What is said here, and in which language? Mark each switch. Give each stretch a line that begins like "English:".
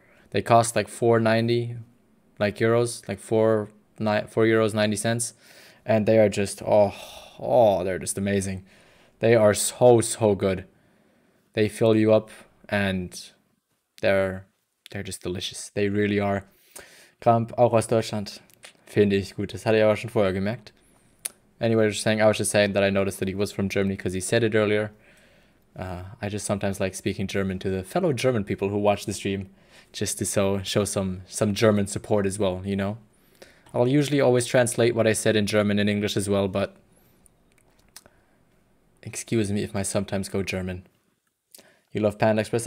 English: They cost like 4.90, like euros, like 4 euros 90 cents, and they are just oh, they're just amazing. They are so good. They fill you up, and they're just delicious. They really are.
German: Kramp, auch aus Deutschland, finde ich gut. Das hatte ich aber schon vorher gemerkt.
English: Anyway, I was just saying that I noticed that he was from Germany because he said it earlier. I just sometimes like speaking German to the fellow German people who watch the stream, just to show some German support as well, you know? I'll usually always translate what I said in German and English as well, but excuse me if I sometimes go German. You love Panda Express?